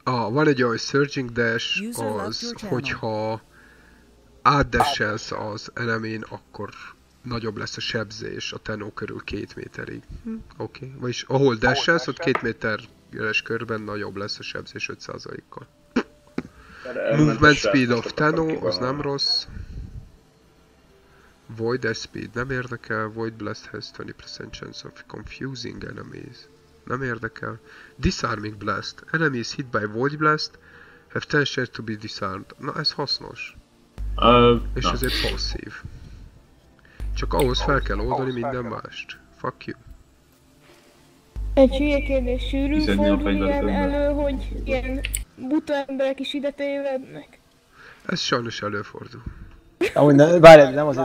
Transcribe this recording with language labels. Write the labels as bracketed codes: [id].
[hu] van egy olyan, hogy Surging Dash, az, hogyha átdeselsz az elemén, akkor nagyobb lesz a sebzés a tenó körül 2 méterig. Oké, okay. Vagyis ahol deselsz, ott 2 méteres körben nagyobb lesz a sebzés 5%-kal. [en] Movement speed of Tenno, [hu] az nem rossz. [en] Void Dash speed, [hu] nem érdekel. [en] Void Blast has 20% chance of confusing enemies. [hu] Nem érdekel. [en] Disarming Blast. Enemies hit by Void Blast have 10 chance to be disarmed. [hu] Na, ez hasznos. És ez egy passive. Csak ahhoz fel kell oldani minden mást. [en] Fuck you. [hu] Egy hülye kérdés, sűrű fordul ilyen elő, hogy ilyen buta emberek is ide tévednek? Ez sajnos előfordul. Amúgy várj, nem az ok.